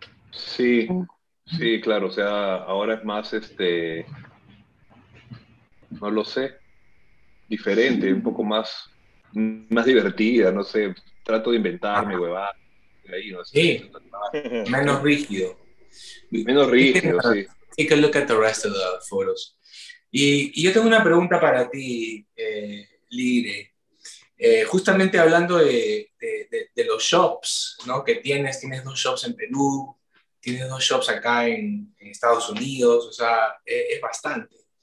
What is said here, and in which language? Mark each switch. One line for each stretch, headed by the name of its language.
Spanish: Sí, sí, claro, o sea, ahora es más, no lo sé, diferente, un poco más divertida, no sé, trato de inventarme, huevada. Sí, menos rígido. Menos rígido, sí.
English: Take a look at the rest of the photos.
Spanish: Y yo tengo una pregunta para ti, Lire. Justamente hablando de los shops, ¿no? Que tienes dos shops en Perú, tienes dos shops acá en Estados Unidos, o sea, es bastante.